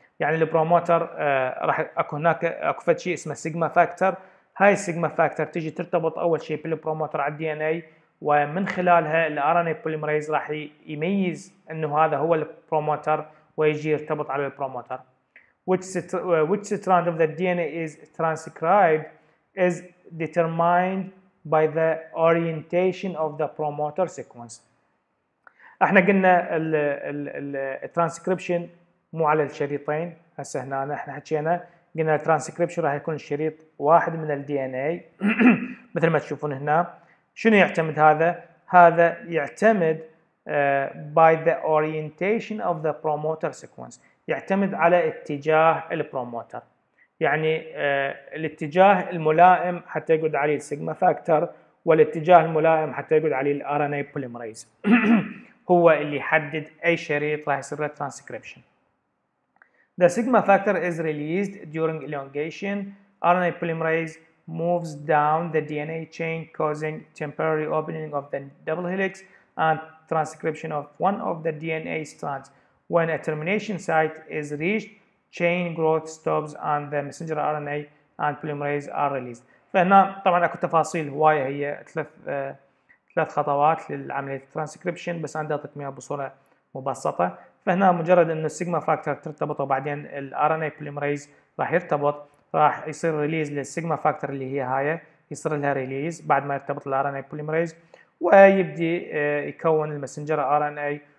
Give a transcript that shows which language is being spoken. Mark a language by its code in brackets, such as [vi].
[ar] يعني الـ promoter راح أكو فد شيء اسمه sigma factor. هاي sigma factor تيجي ترتبط أول شيء بالـ promoter على الـ DNA، ومن خلالها الـ RNA polymerase راح يميز إنه هذا هو الـ promoter ويجي يرتبط على الـ promoter. [en] Which strand of the DNA is transcribed is determined by the orientation of the promoter sequence. [ar] احنا قلنا الـ transcription مو على الشريطين، هسه هنا احنا حكينا قلنا الـ transcription راح يكون شريط واحد من الـ DNA مثل ما تشوفون هنا. شنو يعتمد هذا؟ هذا يعتمد [en] by the orientation of the promoter sequence، [ar] يعتمد على اتجاه البروموتر، يعني الاتجاه الملائم حتى يقعد عليه السيجما فاكتور، والاتجاه الملائم حتى يقعد عليه الـ RNA polymerase هو اللي يحدد أي شريط راح يصير له transcription. [en] The sigma factor is released during elongation. RNA polymerase moves down the DNA chain causing temporary opening of the double helix and transcription of one of the DNA strands. When a termination site is reached, chain growth stops and the messenger RNA and polymerase are released. [ar] فهنا طبعا اكو تفاصيل هواية، هي ثلاث خطوات للعملية transcription، بس انا اعطيكم اياها بصورة مبسطة. فهنا مجرد انه السيجما فاكتور ترتبط وبعدين الـ RNA polymerase راح يرتبط، راح يصير ريليز للسيجما فاكتور اللي هي هاي، يصير لها ريليز بعد ما يرتبط الـ RNA polymerase ويبدي يكون المسنجر RNA.